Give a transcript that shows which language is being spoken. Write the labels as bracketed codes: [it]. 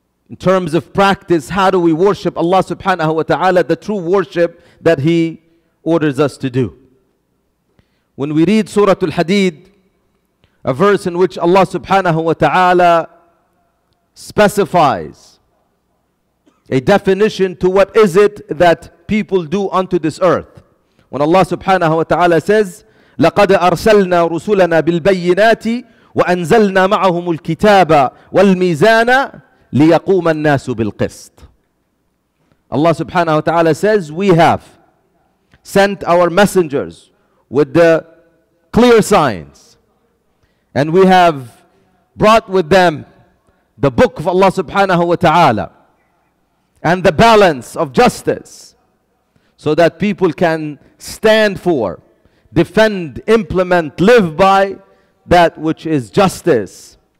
[en] In terms of practice, how do we worship Allah subhanahu wa ta'ala, the true worship that He orders us to do? When we read Surah Al-Hadid, a verse in which Allah subhanahu wa ta'ala specifies a definition to what is it that people do unto this earth. When Allah subhanahu wa ta'ala says, [ar] لَقَدْ أَرْسَلْنَا رُسُولَنَا بِالْبَيِّنَاتِ وَأَنْزَلْنَا مَعَهُمُ الْكِتَابَ وَالْمِيزَانَ لِيَقُومَ النَّاسُ بِالْقِسْطِ. [en] Allah subhanahu wa ta'ala says, we have sent our messengers with the clear signs, and we have brought with them the book of Allah subhanahu wa ta'ala and the balance of justice, so that people can stand for, defend, implement, live by that which is justice.